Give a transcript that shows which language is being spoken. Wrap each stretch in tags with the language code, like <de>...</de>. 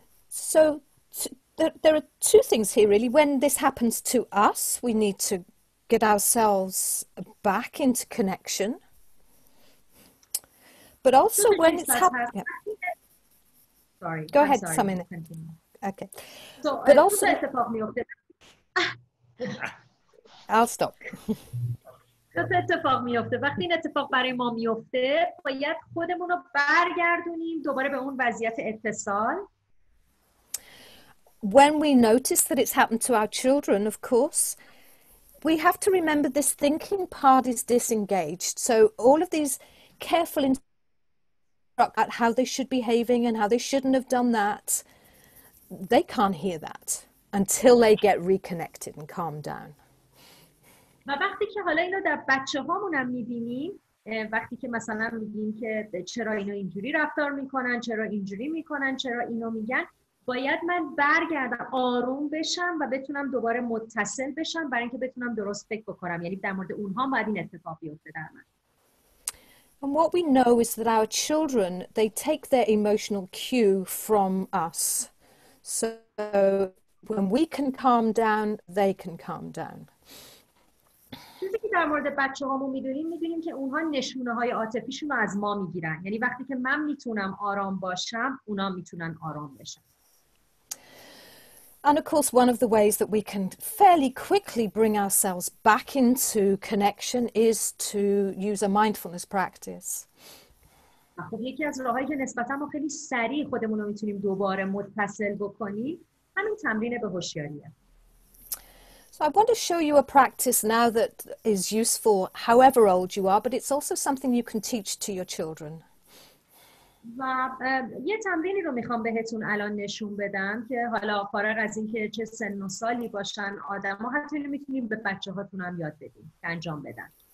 <en>So there are two things here really. When this happens to us, we need to get ourselves back into connection. But also when it's happening. Sorry. Go ahead, some in it. Okay. But also. I'll stop.</en> <fa>چه اتفاق میفته وقتی این اتفاق برای ما میفته؟ باید خودمون رو برگردونیم دوباره به اون وضعیت اتصال.</fa> <en>When we notice that it's happened to our children, of course, we have to remember this thinking part is disengaged. So all of these careful instructions about how they should be behaving and how they shouldn't have done that, they can't hear that until they get reconnected and calm down.</en> <fa>و وقتی که حالا اینو در بچه‌هامون هم می‌بینیم، وقتی که مثلا می‌گیم که چرا اینو اینجوری رفتار می‌کنن، چرا اینجوری می‌کنن، چرا اینو میگن، باید من برگردم آروم بشم و بتونم دوباره متصل بشم برای اینکه بتونم درست فکر بکنم، یعنی در مورد اونها باید این اتفاق بیفته در من.</fa> <en>And what we know is that our children, they take their emotional cue from us. So when we can calm down, they can calm down.</en> <fa>چیزی که در مورد بچه‌هامون می‌دونیم، می‌دونیم که اونها نشونه‌های عاطفیشون رو از ما می‌گیرن. یعنی وقتی که من می‌تونم آرام باشم، اونا می‌تونن آرام بشن.</fa> <en>And of course, one of the ways that we can fairly quickly bring ourselves back into connection is to use a mindfulness practice. So I want to show you a practice now that is useful however old you are, but it's also something you can teach to your children.</en> <fa>و یه تمرینی رو میخوام بهتون الان نشون بدم که حالا فارغ از اینکه چه سن و سالی باشن آدم ها حتی میتونیم به بچه هاتون هم یاد بدیم انجام بدن.</fa>